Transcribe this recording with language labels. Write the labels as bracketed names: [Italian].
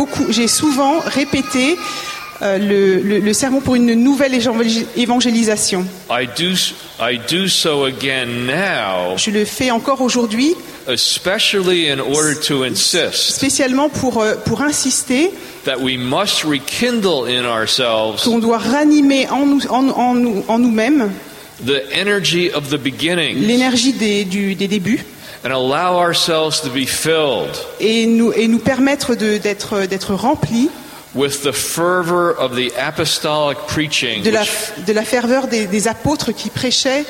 [French] J'ai souvent répété le sermon pour une nouvelle évangélisation. [English] I do so again now. [French] Je le fais encore aujourd'hui. [English] Especially in order to insist. [French] Spécialement pour insister. [English] That we must rekindle in ourselves. [French] Qu'on doit ranimer en nous-mêmes. [English] The energy of the beginning. [French] L'énergie des débuts. [English] And allow ourselves to be filled. [French] Et nous permettre d'être remplis. [English] With the fervor of the apostolic preaching, [French] de la ferveur des apôtres qui prêchaient,